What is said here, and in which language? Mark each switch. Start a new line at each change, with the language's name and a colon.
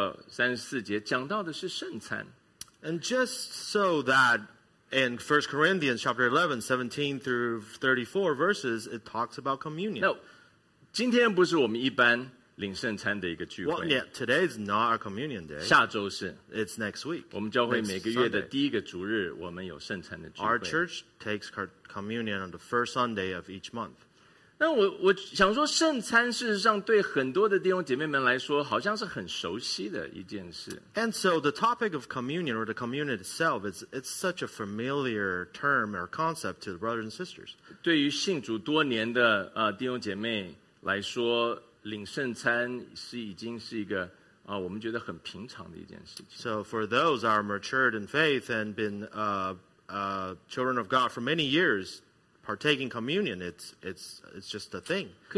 Chinese: 那刚好呢，在这篇经文里面，哥林多前书第十一章17到34节讲到的是圣餐。
English: And just so that in 1 Corinthians chapter 11, 17 through 34 verses, it talks about communion. No.
Chinese: 今天不是我们一般领圣餐的一个聚会。
English: Well, yeah, today is not our communion day.
Chinese: 下周是。
English: It's next week.
Chinese: 我们教会每个月的第一个主日，我们有圣餐的聚会。
English: Our church takes communion on the first Sunday of each month.
Chinese: 那我想说，圣餐事实上对很多的弟兄姐妹们来说，好像是很熟悉的一件事。
English: And so the topic of communion or the communion itself is such a familiar term or concept to the brothers and sisters.
Chinese: 对于信主多年的弟兄姐妹。来说，领圣餐是已经是一个我们觉得很平常的一件事情。
English: So for those who are matured in faith and been children of God for many years, partaking communion, it's just a thing.